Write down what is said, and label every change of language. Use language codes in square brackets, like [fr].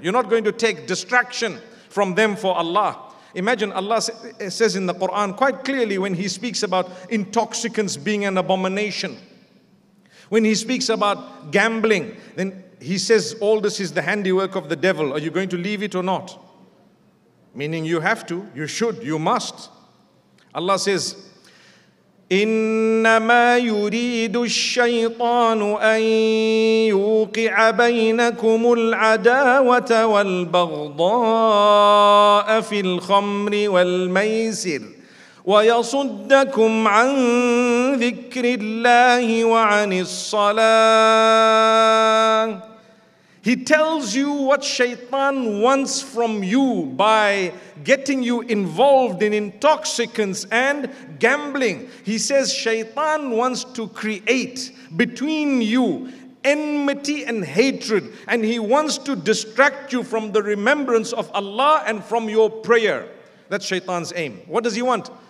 [en] You're not going to take distraction from them for Allah. Imagine Allah says in the Quran quite clearly when He speaks about intoxicants being an abomination. When He speaks about gambling, then He says all this is the handiwork of the devil. Are you going to leave it or not? Meaning you have to, you should, you must. Allah says, [ar] إنما يريد الشيطان أن يوقع بينكم العداوة والبغضاء في الخمر والميسر ويصدكم عن ذكر الله وعن الصلاة. [en] He tells you what Shaitan wants from you by getting you involved in intoxicants and gambling. He says Shaitan wants to create between you enmity and hatred, and he wants to distract you from the remembrance of Allah and from your prayer. That's Shaitan's aim. What does he want?